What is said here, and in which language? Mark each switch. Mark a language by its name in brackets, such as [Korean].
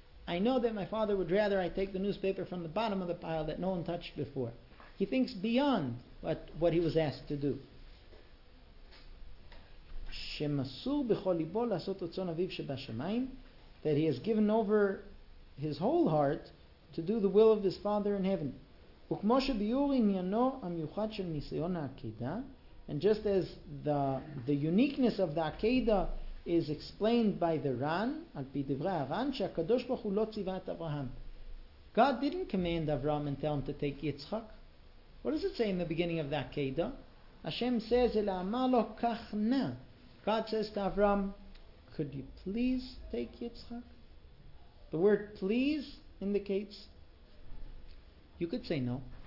[English] I know that my father would rather I take the newspaper from the bottom of the pile that no one touched before. He thinks beyond what he was asked to do. [Hebrew] שמסור בכל ליבו לעשות רצון אביו שבשמיים, [English] that he has given over his whole heart to do the will of his Father in heaven. [Hebrew] וכמו שביור עניינו המיוחד של ניסיון העקידה, [English] and just as the uniqueness of the עקידה is explained by the Ran, [Hebrew] על פי דברי הרן, שהקדוש ברוך הוא לא ציווה את אברהם. [English] God didn't command Avraham and tell him to take Yitzchak. What does it say in the beginning of the Akedah? Hashem says, [Hebrew] "Ela amar lo kach na." [English] God says to Avram, "Could you please take Yitzchak?" The word "please" indicates you could say no.